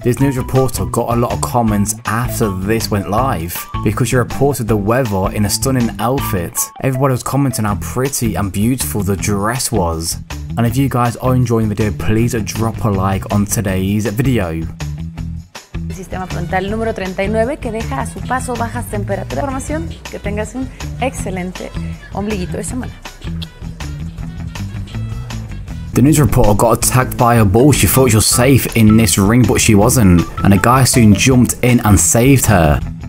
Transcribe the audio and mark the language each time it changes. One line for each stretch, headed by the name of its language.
English: This news reporter got a lot of comments after this went live. Because she reported the weather in a stunning outfit. Everybody was commenting how pretty and beautiful the dress was. And if you guys are enjoying the video, please drop a like on today's video.
Spanish: sistema frontal número 39 que deja a su paso bajas temperaturas. Información, que tengas un excelente ombliguito de semana.
English: The news reporter got attacked by a bull. She thought she was safe in this ring, but she wasn't. And a guy soon jumped in and saved her.